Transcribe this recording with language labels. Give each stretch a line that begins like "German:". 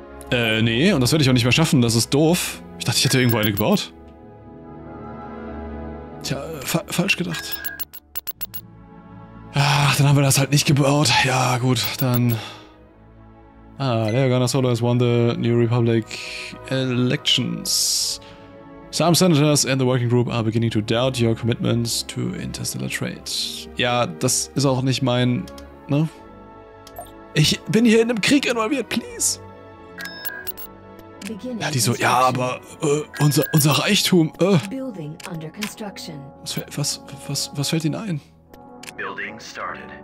German: Nee, und das werde ich auch nicht mehr schaffen, das ist doof. Ich dachte, ich hätte irgendwo eine gebaut. Tja, falsch gedacht. Ach, dann haben wir das halt nicht gebaut. Ja, gut, dann...
English: Ah, Leia Organa Solo has won the New Republic elections. Some senators and the working group are beginning to doubt your commitment to interstellar trade.
German: Ja, das ist auch nicht mein... Ne? Ich bin hier in einem Krieg involviert, please! Ja, die so, ja, aber unser Reichtum. Was fällt Ihnen ein?
English: Building started.